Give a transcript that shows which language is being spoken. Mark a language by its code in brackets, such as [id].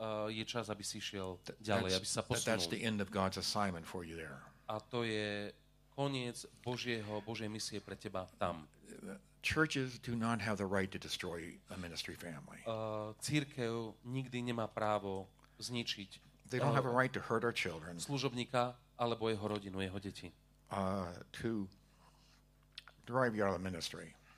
[sk] Je čas, aby si šiel ďalej, aby sa posunul. [en] That's the end of God's assignment for you there. [sk] A to je koniec Božej misie pre teba tam. [en] Churches do not have the right to destroy a ministry family. [sk] Cirkev nikdy nemá právo zničiť. [en] They don't have a right to hurt our children. [sk] Služobníka alebo jeho rodinu, jeho deti. [en] To drive you out of the ministry.